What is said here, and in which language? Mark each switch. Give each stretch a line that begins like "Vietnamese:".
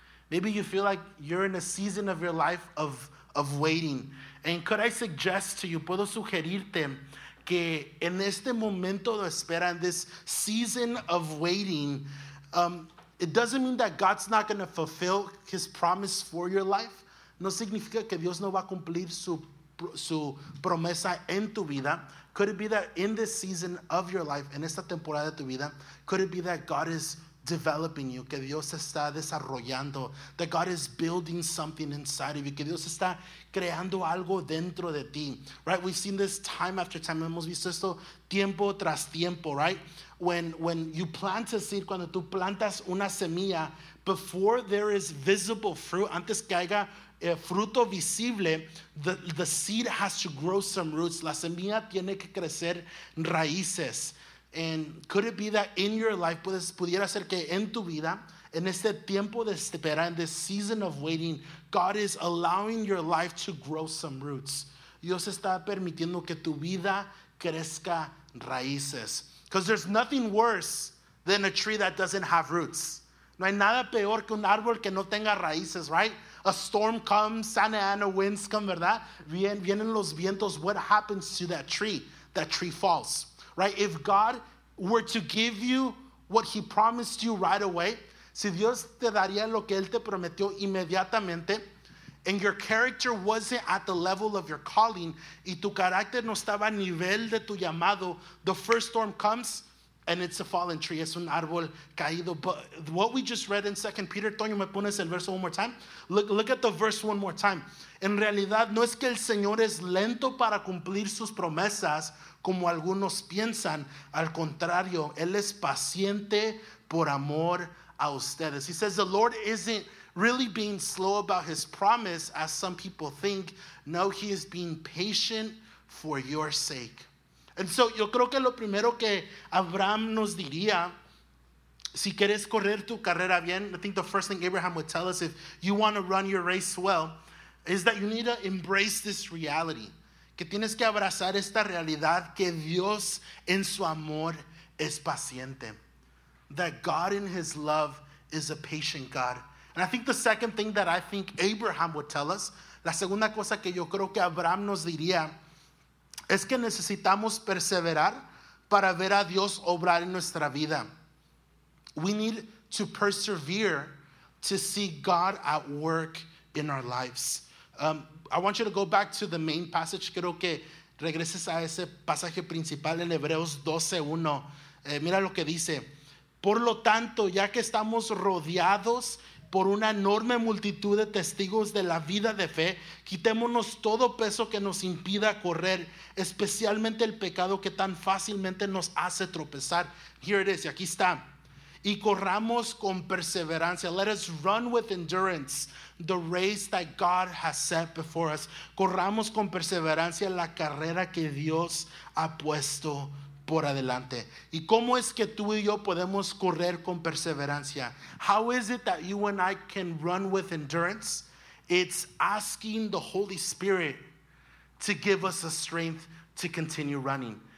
English: Maybe you feel like you're in a season of your life of waiting. And could I suggest to you,
Spanish: puedo sugerirte, que en este momento de espera,
English: in this season of waiting, it doesn't mean that God's not going to fulfill his promise for your life.
Spanish: No significa que Dios no va a cumplir su promesa en tu vida.
English: Could it be that in this season of your life,
Spanish: en esta temporada de tu vida,
English: could it be that God is developing you,
Spanish: que Dios está desarrollando,
English: that God is building something inside of you,
Spanish: que Dios está creando algo dentro de ti,
English: right? We've seen this time after time,
Spanish: hemos visto esto tiempo tras tiempo,
English: right? When you plant a seed,
Spanish: cuando tú plantas una semilla,
English: before there is visible fruit,
Spanish: antes que haya fruto visible,
English: the seed has to grow some roots,
Spanish: la semilla tiene que crecer raíces.
English: And could it be that in your life,
Spanish: pudiera ser que en tu vida, en este tiempo de espera,
English: en this season of waiting, God is allowing your life to grow some roots.
Spanish: Dios está permitiendo que tu vida crezca raíces.
English: Because there's nothing worse than a tree that doesn't have roots.
Spanish: No hay nada peor que un árbol que no tenga raíces, right?
English: A storm comes, Santa Ana winds come,
Spanish: ¿verdad? Vienen los vientos.
English: What happens to that tree? That tree falls. Right, if God were to give you what he promised you right away,
Spanish: si Dios te daría lo que él te prometió inmediatamente,
English: and your character wasn't at the level of your calling,
Spanish: y tu carácter no estaba a nivel de tu llamado,
English: the first storm comes, and it's a fallen tree,
Spanish: es un árbol caído.
English: But what we just read in 2 Peter, Toño,
Spanish: ¿me pones el verso
English: one more time? Look at the verse one more time.
Spanish: En realidad, no es que el Señor es lento para cumplir sus promesas, como algunos piensan, al contrario, él es paciente por amor a ustedes.
English: He says the Lord isn't really being slow about his promise, as some people think. No, he is being patient for your sake. And so,
Spanish: yo creo que lo primero que Abraham nos diría, si quieres correr tu carrera bien,
English: I think the first thing Abraham would tell us, if you want to run your race well, is that you need to embrace this reality.
Spanish: Que tienes que abrazar esta realidad que Dios en su amor es paciente.
English: That God in his love is a patient God. And I think the second thing that I think Abraham would tell us,
Spanish: la segunda cosa que yo creo que Abraham nos diría, es que necesitamos perseverar para ver a Dios obrar en nuestra vida.
English: We need to persevere to see God at work in our lives. I want you to go back to the main passage.
Spanish: Quiero que regreses a ese pasaje principal en Hebreos 12:1. Mira lo que dice. Por lo tanto, ya que estamos rodeados por una enorme multitud de testigos de la vida de fe, quitémonos todo peso que nos impida correr, especialmente el pecado que tan fácilmente nos hace tropezar.
English: Here it is,
Spanish: y aquí está. Y corramos con perseverancia.
English: Let us run with endurance the race that God has set before us.
Spanish: Corramos con perseverancia la carrera que Dios ha puesto por adelante. ¿Y cómo es que tú y yo podemos correr con perseverancia?
English: How is it that you and I can run with endurance? It's asking the Holy Spirit to give us the strength to continue running.